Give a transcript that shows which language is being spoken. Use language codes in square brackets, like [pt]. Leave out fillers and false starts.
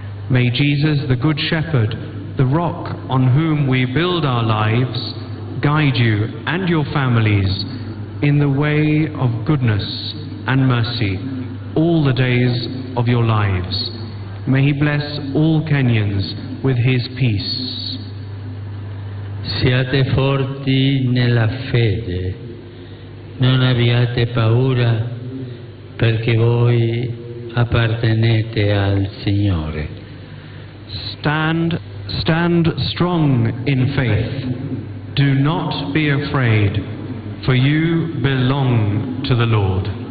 [en] May Jesus, the Good Shepherd, the rock on whom we build our lives, guide you and your families in the way of goodness and mercy all the days of your lives. May He bless all Kenyans with His peace. [it] Siate forti nella fede, non abbiate paura, perché voi appartenete al Signore. [en] Stand strong in faith. Do not be afraid, for you belong to the Lord.